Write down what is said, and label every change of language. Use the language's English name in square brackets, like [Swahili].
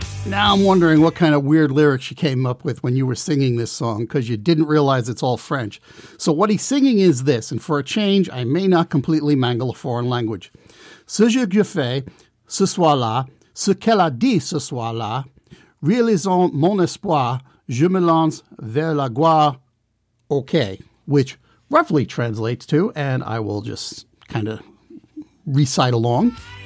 [English] I'm wondering what kind of weird lyrics she came up with when you were singing this song, because you didn't realize it's all French. So what he's singing is this, and for a change, I may not completely mangle a foreign language. [French] Ce que je fais ce soir-là, ce qu'elle a dit ce soir-là, réalisant mon espoir, je me lance vers la gloire, ok. [English] Which roughly translates to, and I will just kind of recite along.